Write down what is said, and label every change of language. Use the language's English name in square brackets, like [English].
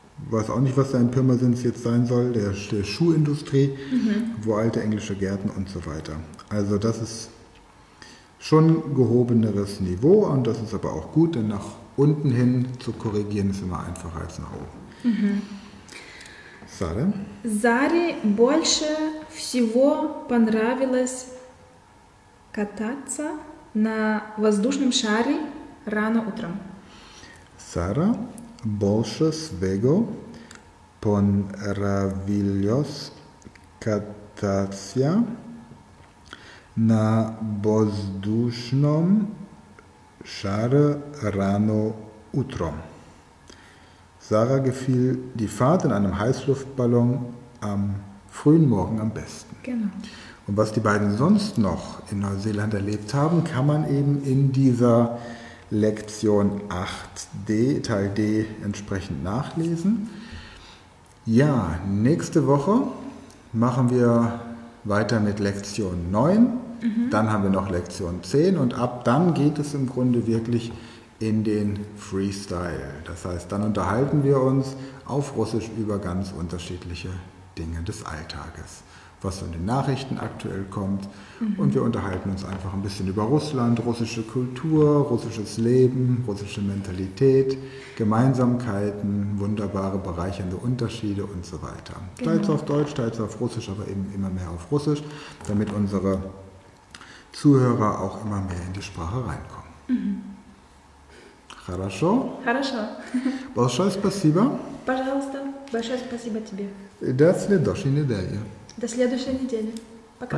[German] weiß auch nicht, was da in Pirmasens jetzt sein soll, der Schuhindustrie, wo alte englische Gärten und so weiter. Also das ist schon gehobeneres Niveau und das ist aber auch gut, denn nach unten hin zu korrigieren ist immer einfacher als nach oben. Sari? [Russian] Sari больше всего понравилось кататься на воздушном шаре рано утром. Sara больше всего понравилось кататься на воздушном шаре рано утром. [German] Sara gefiel die Fahrt in einem Heißluftballon am frühen Morgen am besten. Genau. Und was die beiden sonst noch in Neuseeland erlebt haben, kann man eben in dieser Lektion 8d, Teil D, entsprechend nachlesen. Ja, nächste Woche machen wir weiter mit Lektion 9. Dann haben wir noch Lektion 10 und ab dann geht es im Grunde wirklich in den Freestyle. Das heißt, dann unterhalten wir uns auf Russisch über ganz unterschiedliche Dinge des Alltages, was in den Nachrichten aktuell kommt. Und wir unterhalten uns einfach ein bisschen über Russland, russische Kultur, russisches Leben, russische Mentalität, Gemeinsamkeiten, wunderbare bereichernde Unterschiede und so weiter. Genau. Teils auf Deutsch, teils auf Russisch, aber eben immer mehr auf Russisch, damit unsere Zuhörer auch immer mehr in die Sprache reinkommen. [Russian] Хорошо? Хорошо. Большое спасибо. Пожалуйста, большое спасибо тебе. До следующей недели. До следующей недели. Пока.